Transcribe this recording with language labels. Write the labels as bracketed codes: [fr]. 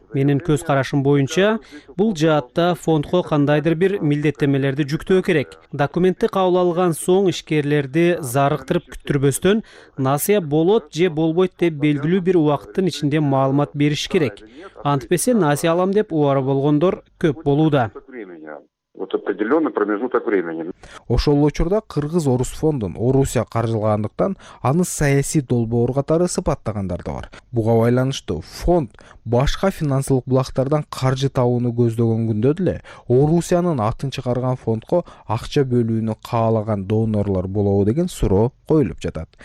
[ky] Менин көз карашым боюнча бул жаатта фондко кандайдыр бир милдеттемелерди жүктөө керек. Документти кабыл алган соң ишкерлерди зарыктырып күттүрбөстөн насыя болот же болбойт деп белгилүү бир убакыттын ичинде маалымат бериш керек. Антпесе насыя алам деп убара болгондор көп болууда. [ru] Вот определенный промежуток времени. [ky] Ошол эле учурда кыргыз орус фондун Орусия каржылагандыктан аны саясий долбоор катары сыпаттагандар да бар. Буга байланыштуу фонд башка финансылык булактардан каржы табууну көздөгөн күндө деле Орусиянын атын чыгарган фондко акча бөлүүнү каалаган донорлор болобу деген суроо коюлуп жатат.